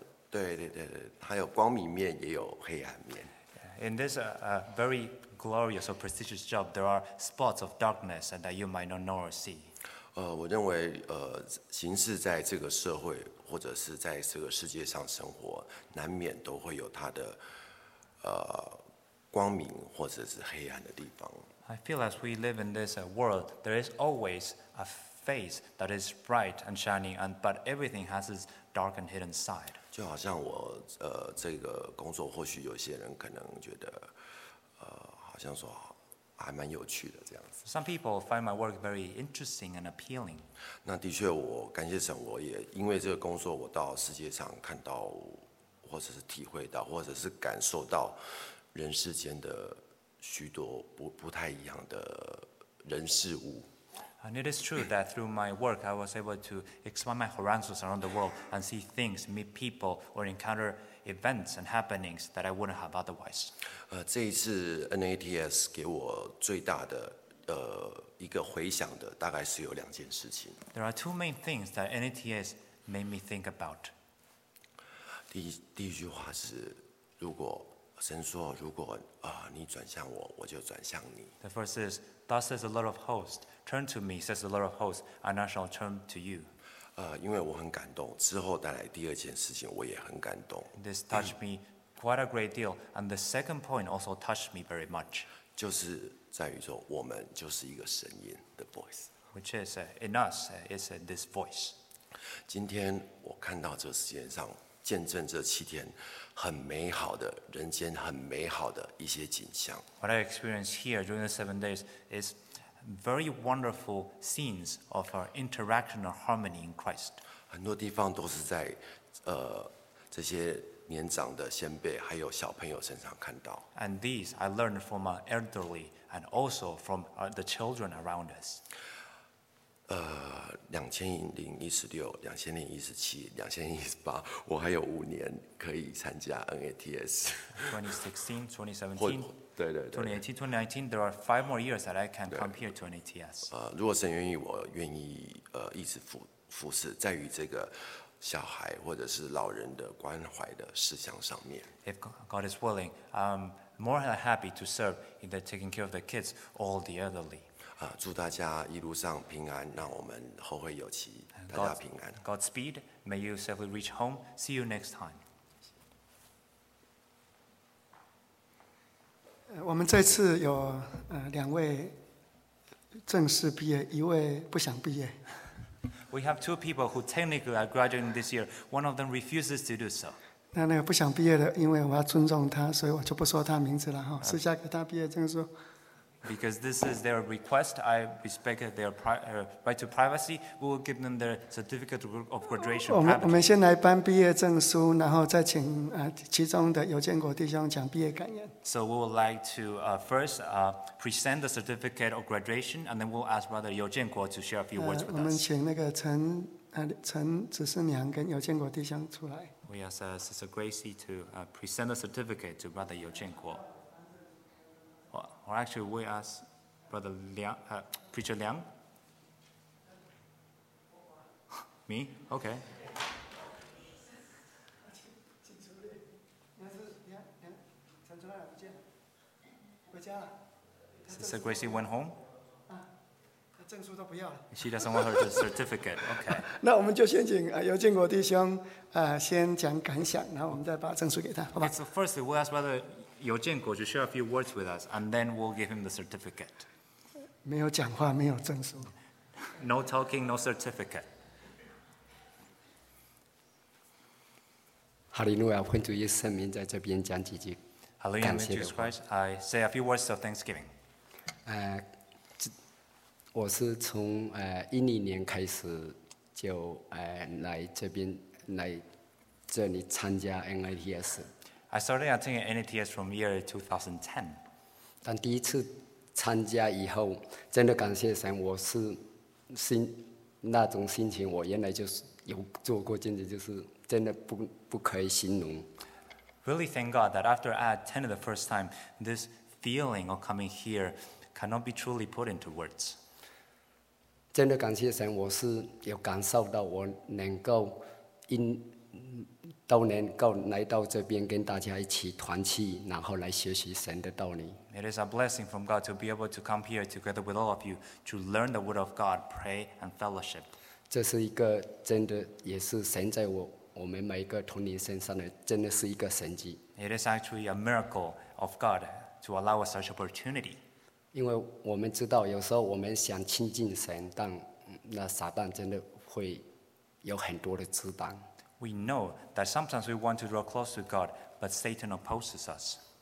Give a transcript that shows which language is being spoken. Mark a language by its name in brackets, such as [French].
[Chinese] 对对对对，它有光明面，也有黑暗面。 [English] In this very glorious or prestigious job, there are spots of darkness that you might not know or see. [Chinese] 我认为行事在这个社会或者是在这个世界上生活，难免都会有它的光明或者是黑暗的地方。 [English] I feel as we live in this world, there is always a face that is bright and shining, and but everything has its dark and hidden side. [Chinese] 就好像我这个工作，或许有些人可能觉得好像说还蛮有趣的这样子。 [English] Some people find my work very interesting and appealing. [Chinese] 那的确，我感谢神，我也因为这个工作，我到世界上看到，或者是体会到，或者是感受到人世间的许多 不太一样的人事物。 [English] And it is true that through my work, I was able to expand my horizons around the world and see things, meet people, or encounter events and happenings that I wouldn't have otherwise. [Chinese] 这一次 NATS 给我最大的一个回想的，大概是有两件事情。 [English] There are two main things that NATS made me think about. [Chinese] 第一句话是，如果神说，如果你转向我，我就转向你。 [English] The first is, Thus says the Lord of hosts. Turn to me, says the Lord of hosts, and I shall turn to you. [Chinese] 因为我很感动，之后带来第二件事情，我也很感动。 [English] This touched me quite a great deal, and the second point also touched me very much. [Chinese] 就是在于说，我们就是一个声音 ， [English] the voice. Which is in us is this voice. [Chinese] 今天我看到这世界上见证这七天很美好的人间很美好的一些景象。 [English] What I experienced here during the 7 days is very wonderful scenes of our interaction or harmony in Christ. [Chinese] 很多地方都是在这些年长的先辈还有小朋友身上看到。 [English] And these I learned from our elderly and also from the children around us. [Chinese] 2016, 2017, 2018, 我还有五年可以参加 NATS. [English] 2016, 2017. 2018-2019, there are 5 more years that I can come here to NATS. [Chinese] 如果神愿意，我愿意一直服侍在于这个小孩或者是老人的关怀的事项上面。 [English] If God is willing, I'm more than happy to serve in the taking care of the kids or the elderly. [Chinese] 祝大家一路上平安，让我们后会有期，大家平安。 [English] Godspeed, may you safely reach home. See you next time. [Chinese] 我们这次有两位正式毕业，一位不想毕业。 [English] We have two people who technically are graduating this year. One of them refuses to do so. [Chinese] 那个不想毕业的，因为我要尊重他，所以我就不说他名字了哈，私下给他毕业证书。 [English] Because this is their request, I respect their right to privacy. We will give them their certificate of graduation. [Chinese] 我们先来颁毕业证书，然后再请其中的尤建国弟兄讲毕业感言。 [English] So we would like to first present the certificate of graduation, and then we'll ask Brother 尤建国 to share a few words with us. [Chinese] 我们请那个陈执事娘跟尤建国弟兄出来。 [English] We ask Sister Gracie to present the certificate to Brother 尤建国。 Or actually, we ask Brother Liang, Preacher Liang. Me? Okay. Sister Gracie went home. She doesn't want her certificate. Okay. [Chinese] 那我们就先请尤建国弟兄先讲感想，然后我们再把证书给他，好吧 [English] ？So firstly, we ask Brother. 尤建国 to share a few words with us, and then we'll give him the certificate. [Chinese] 没有讲话，没有证书。 [English] No talking, no certificate. [Chinese] 哈利路亚，奉主耶稣圣名，在这边讲几句感谢的话。 [English] Hallelujah, Jesus Christ, I say a few words of thanksgiving. [Chinese] 我是从2010年开始就来这边来这里参加 NATS. [English] I started attending NATS from year 2010. [Chinese] 但第一次参加以后，真的感谢神，我是心那种心情，我原来就是有做过，简直就是真的不可以形容。 [English] Really thank God that after I attended the first time, this feeling of coming here cannot be truly put into words. [Chinese] 真的感谢神，我是有感受到我能够都能够来到这边跟大家一起团契，然后来学习神的道理。 [English] It is a blessing from God to be able to come here together with all of you to learn the word of God, pray and fellowship. [Chinese] 这是一个真的，也是神在我们每一个同龄身上的，真的是一个神迹。 [English] It is actually a miracle of God to allow us such opportunity. [Chinese] 因为我们知道，有时候我们想亲近神，但那撒旦真的会有很多的阻挡。 [English] We know that sometimes we want to draw close to God, but Satan opposes us.